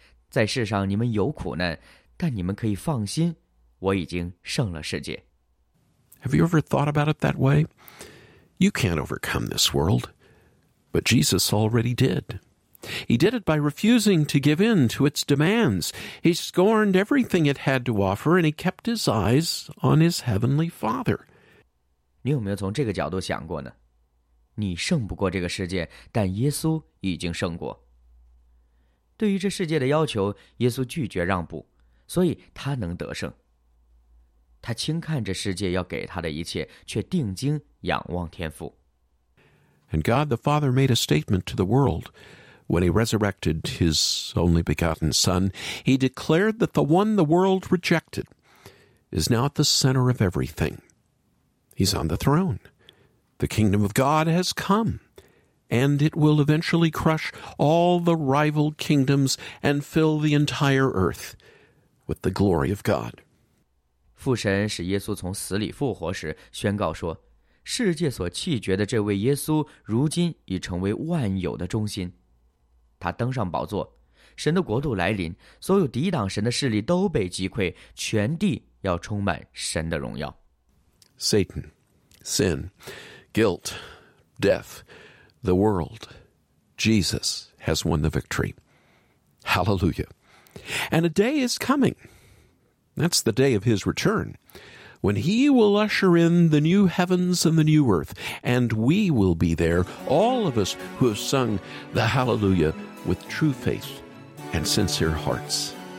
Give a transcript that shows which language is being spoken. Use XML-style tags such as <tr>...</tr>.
<zh>在世上你们有苦难，但你们可以放心，我已经胜了世界。”</zh> <en>Have you ever thought about it that way? You can't overcome this world, but Jesus already did. He did it by refusing to give in to its demands. He scorned everything it had to offer, and he kept his eyes on his heavenly Father.</en> <zh>你有没有从这个角度想过呢？你胜不过这个世界，但耶稣已经胜过。对于这世界的要求，耶稣拒绝让步，所以他能得胜。他轻看这世界要给他的一切，却定睛仰望天父。</zh> <en>And God the Father made a statement to the world when he resurrected his only begotten Son. He declared that the one the world rejected, is now at the center of everything. He's on the throne. The kingdom of God has come, and it will eventually crush all the rival kingdoms and fill the entire earth with the glory of God.</en> <zh>父神使耶稣从死里复活时宣告说，世界所弃绝的这位耶稣如今已成为万有的中心。他登上宝座，神的国度来临，所有抵挡神的势力都被击溃，全地要充满神的荣耀。</zh> <en>Satan, sin, guilt, death, the world, Jesus has won the victory. Hallelujah. And a day is coming. That's the day of his return, when he will usher in the new heavens and the new earth, and we will be there, all of us who have sung the Hallelujah with true faith and sincere hearts.</en>